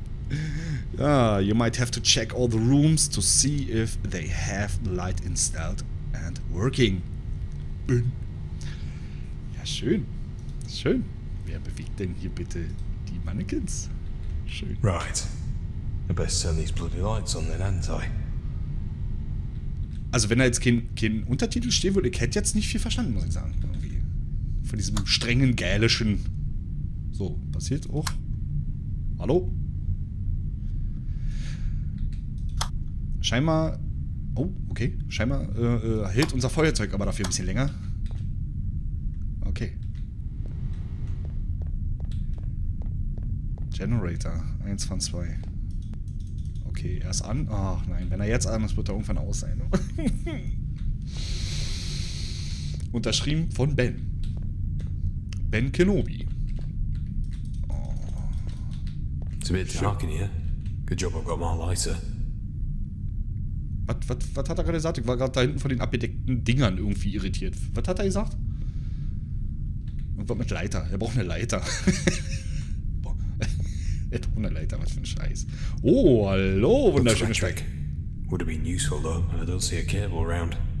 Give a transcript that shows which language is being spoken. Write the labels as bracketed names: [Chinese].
[English] you might have to check all the rooms to see if they have the light installed and working. [German] Ja, schön. Schön. Wer bewegt denn hier bitte die Mannequins? Schön. [English] Right. I best turn these bloody lights on then, hadn't I? [German] Also wenn da jetzt kein Untertitel stehen würde, ich hätte jetzt nicht viel verstanden, muss ich sagen. Von diesem strengen gälischen. So, passiert auch. Hallo? Scheinbar. Oh, okay. Scheinbar hält unser Feuerzeug aber dafür ein bisschen länger. Okay. Generator. 1 von 2. Okay, er ist an. Ach nein, wenn er jetzt an ist, wird er irgendwann aus sein. Unterschrieben von Ben. Ben Kenobi. [English] Oh. It's a bit dark in here. Good job I've got my lighter. [German] Was hat er gerade gesagt? Ich war gerade da hinten von den abgedeckten Dingern irgendwie irritiert. Was hat er gesagt? Und was mit Leiter? Er braucht eine Leiter. Boah. Er braucht eine Leiter, was für ein Scheiß. Oh, hallo, wunderschöner Schreck. [English] Would have been useful though. I don't see a cable around.